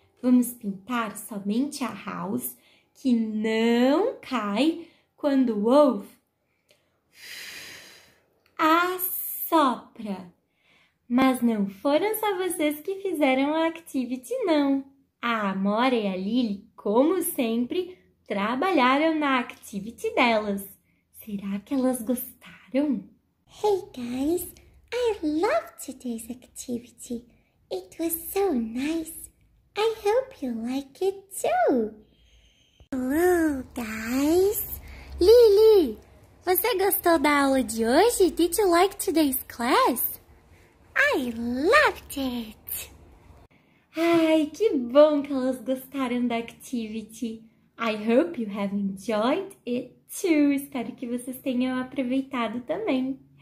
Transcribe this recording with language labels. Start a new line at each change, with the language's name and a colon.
Portuguese: Vamos pintar somente a house que não cai quando o wolf assopra. Mas não foram só vocês que fizeram a activity, não. A Amora e a Lily, como sempre, trabalharam na activity delas. Será que elas gostaram?
English: Hey guys, I loved today's activity. It was so nice. I hope you like it too. Hello guys.
Portuguese: Lily, você gostou da aula de hoje?
English: Did you like today's class? I loved it!
Portuguese: Ai, que bom que elas gostaram da activity!
English: I hope you have enjoyed it too!
Portuguese: Espero que vocês tenham aproveitado também!